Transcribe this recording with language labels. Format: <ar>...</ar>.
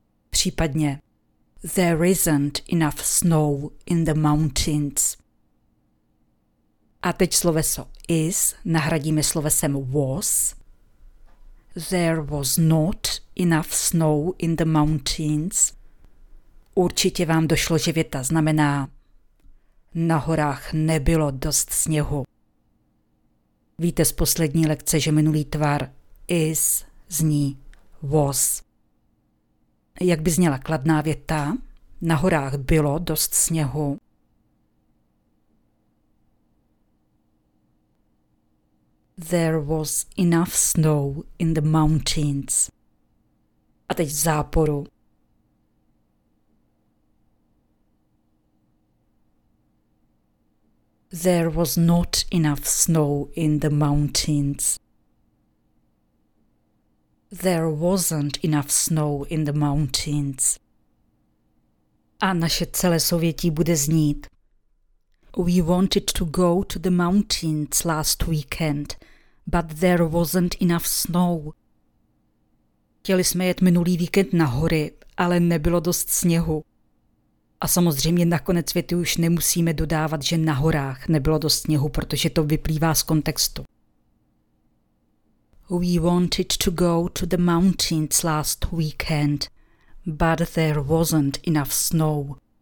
<en>Případně there isn't enough snow in the mountains.</en> <cs>A teď sloveso is nahradíme slovesem was.</cs> <en>There was not enough snow in the mountains.</en> <cs>Určitě vám došlo, že věta znamená na horách nebylo dost sněhu. Víte z poslední lekce, že minulý tvar is zní was. Jak by zněla kladná věta? Na horách bylo dost sněhu.</cs> <en>There was enough snow in the mountains.</en> <cs>A teď v záporu.</cs> <en>There was not enough snow in the mountains. There wasn't enough snow in the mountains.</en> <cs>A naše celé souvětí bude znít.</cs> <en>We wanted to go to the mountains last weekend, but there wasn't enough snow.</en> <cs>Chtěli jsme jet minulý víkend na hory, ale nebylo dost sněhu. A samozřejmě nakonec věty už nemusíme dodávat, že na horách nebylo dost sněhu, protože to vyplývá z kontextu.</cs> <en>We wanted to go to the mountains last weekend, but there wasn't enough snow.</en>